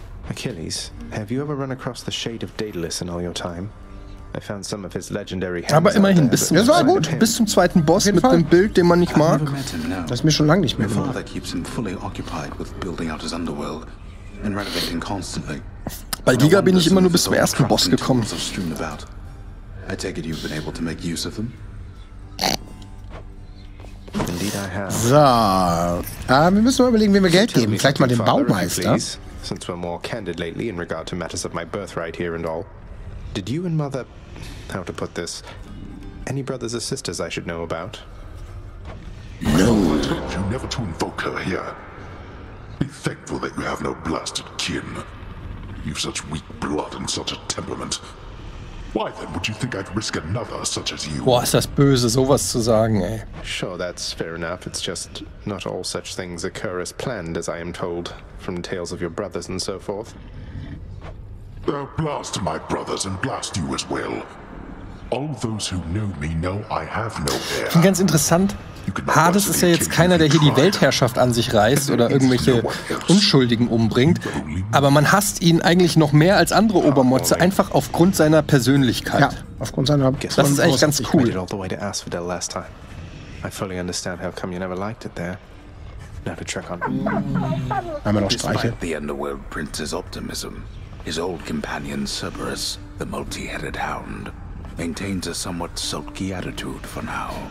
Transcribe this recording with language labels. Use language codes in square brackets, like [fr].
[en] Achilles, have you ever run across the shade of Daedalus in all your time? I found some of his legendary hands. [de] Aber immerhin, das war gut. Bis zum zweiten Boss mit dem Bild, den man nicht mag. Das ist mir schon lange nicht mehr. Mein Vater [en] keeps him fully occupied with building out his underworld and renovating constantly. [de] Bei Giga bin ich immer nur bis zum ersten Boss gekommen. [en] I take it you've been able to make use of them. Indeed I have. [de] So, wir müssen mal überlegen, wem wir Geld geben. Vielleicht mal dem Baumeister. [en] Since we're more candid lately in regard to matters of my birthright here and all, did you and mother, how to put this, any brothers or sisters I should know about? No, I told you never to invoke her here. Be thankful that you have no blasted kin. You've such weak blood and such a temperament. Why then would you think I'd risk another such as you? [de] Boah, ist das böse, sowas zu sagen, ey. [en] Sure, that's fair enough. It's just not all such things occur as planned, as I am told. From tales of your brothers and so forth. They'll blast my brothers and blast you as well. All those who know me know I have no heir. [de] Ich finde ganz interessant, Hades ist ja jetzt keiner, der hier die Weltherrschaft an sich reißt oder irgendwelche Unschuldigen umbringt, aber man hasst ihn eigentlich noch mehr als andere Obermotze, einfach aufgrund seiner Persönlichkeit. Ja, aufgrund seiner Das ist eigentlich ganz cool. [en] I made it all the way to Asphodel last time. I fully understand how come you never liked it there. Now to check on. [de] Einmal noch streiche. [en] The underworld prince's optimism. His old companion Cerberus, the multi-headed hound, maintains a somewhat sulky attitude for now.